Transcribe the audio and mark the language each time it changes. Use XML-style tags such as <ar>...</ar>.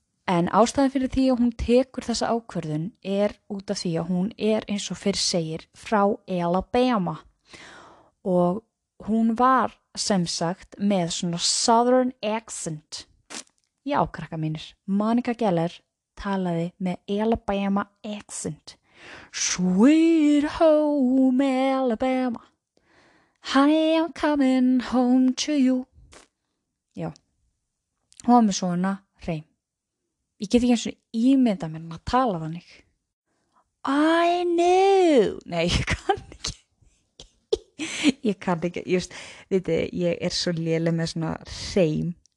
<is>En ástæðan fyrir því að hún tekur þessa ákvörðun er út af því að hún er eins og fyrir segir frá Alabama. Og hún var sem sagt með svona southern accent. Já, krakka mínir, Monica Geller talaði með Alabama accent.</is> <en>Sweet home Alabama, honey I'm coming home to you.</en> <is>Já, hún var með svona reym. Ég get ekki eins og ímynda mér að tala þannig.</is> <en>I know.</en> <is>Nei, ég kann ekki. Ég kann ekki, just, veitir, ég er svo léleg með svona reym.</is>